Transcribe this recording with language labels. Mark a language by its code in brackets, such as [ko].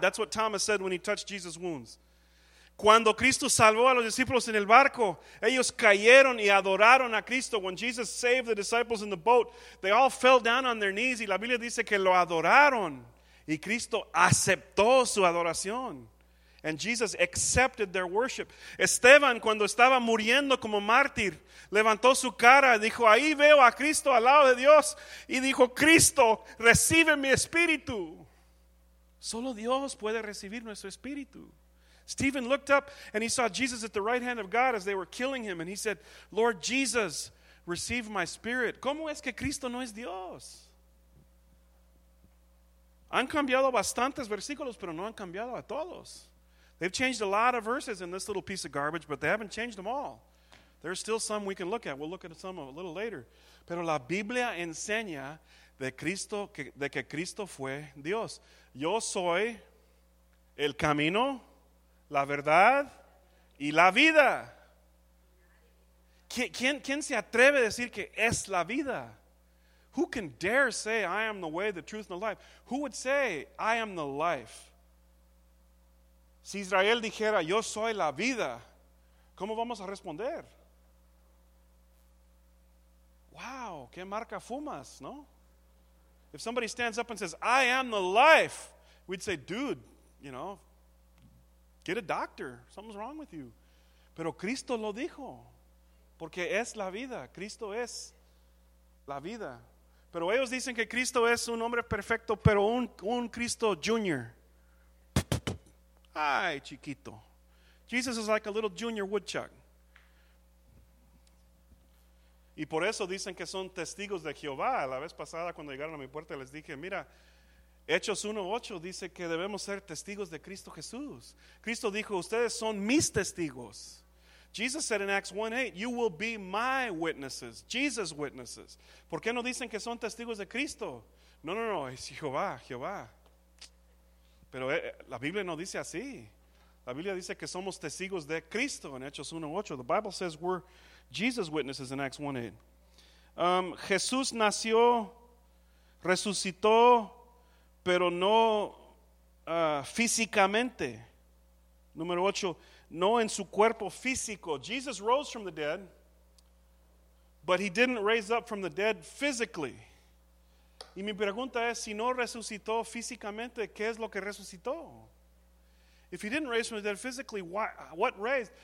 [en] That's what Thomas said when he touched Jesus' wounds. [es] Cuando Cristo salvó a los discípulos en el barco, ellos cayeron y adoraron a Cristo. [en] When Jesus saved the disciples in the boat, they all fell down on their knees. [es] Y la Biblia dice que lo adoraron. Y Cristo aceptó su adoración. [en] And Jesus accepted their worship. [es] Esteban, cuando estaba muriendo como mártir, levantó su cara y dijo, ahí veo a Cristo al lado de Dios. Y dijo, Cristo, recibe mi espíritu. Solo Dios puede recibir nuestro espíritu. [en] Stephen looked up and he saw Jesus at the right hand of God as they were killing him. And he said, Lord Jesus, receive my spirit. [es] ¿Cómo es que Cristo no es Dios? Han cambiado bastantes versículos, pero no han cambiado a todos. [en] They've changed a lot of verses in this little piece of garbage, but they haven't changed them all. There's still some we can look at. We'll look at some a little later. [es] Pero la Biblia enseña de que Cristo fue Dios. Yo soy el camino, la verdad y la vida. ¿Quién se atreve a decir que es la vida? [en] Who can dare say, I am the way, the truth, and the life? Who would say, I am the life? [es] Si Israel dijera, yo soy la vida, ¿cómo vamos a responder? Wow, ¿qué marca fumas, no? [en] If somebody stands up and says, I am the life, we'd say, dude, you know, get a doctor. Something's wrong with you. [es] Pero Cristo lo dijo, porque es la vida. Cristo es la vida. Pero ellos dicen que Cristo es un hombre perfecto, pero un Cristo junior. Ay, chiquito. [en] Jesus is like a little junior woodchuck. [es] Y por eso dicen que son testigos de Jehová. La vez pasada cuando llegaron a mi puerta les dije, mira, Hechos 1:8 dice que debemos ser testigos de Cristo Jesús. Cristo dijo, ustedes son mis testigos. [en] Jesus said in Acts 1:8, you will be my witnesses, Jesus' witnesses. [es] ¿Por qué no dicen que son testigos de Cristo? No, es Jehová, Jehová. Pero la Biblia no dice así. La Biblia dice que somos testigos de Cristo en Hechos 1:8. [en] The Bible says we're Jesus' witnesses in Acts 1:8. [es] Jesús nació, resucitó, pero no físicamente. Número 8, no en su cuerpo físico. [en] Jesus rose from the dead, but he didn't raise up from the dead physically. [es] Y mi pregunta es, si no resucitó físicamente, ¿qué es lo que resucitó? [en] If he didn't raise from the dead physically, what raised?